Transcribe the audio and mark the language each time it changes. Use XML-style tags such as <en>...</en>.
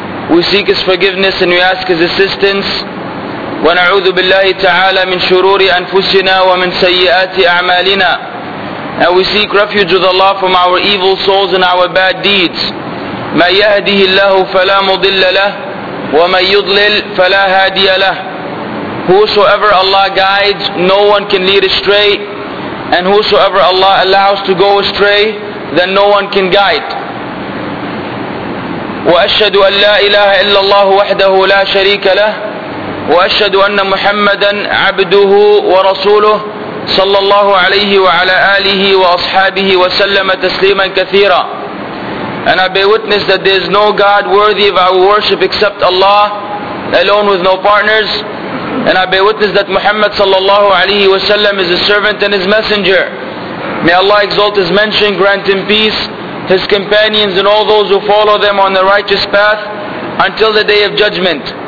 <en>We seek His forgiveness and we ask His assistance.</en> <ar>ونعوذ بالله تعالى من شرور أنفسنا ومن سيئات أعمالنا.</ar> <en>And we seek refuge with Allah from our evil souls and our bad deeds.</en> <ar>ما يهده الله فلا مضل له ومن يضلل فلا هادي له.</ar> <en>Whosoever Allah guides, no one can lead astray. And whosoever Allah allows to go astray, then no one can guide.</en> <ar>وأشهد أن لا إله إلا الله وحده لا شريك له وأشهد أن محمدا عبده ورسوله صلى الله عليه وعلى آله وأصحابه وسلم تسليما كثيرا.</ar> <en>And I bear witness that there is no God worthy of our worship except Allah, alone with no partners. And I bear witness that Muhammad sallallahu alayhi wa sallam is his servant and his messenger. May Allah exalt his mention, grant him peace, his companions and all those who follow them on the righteous path until the day of judgment.</en>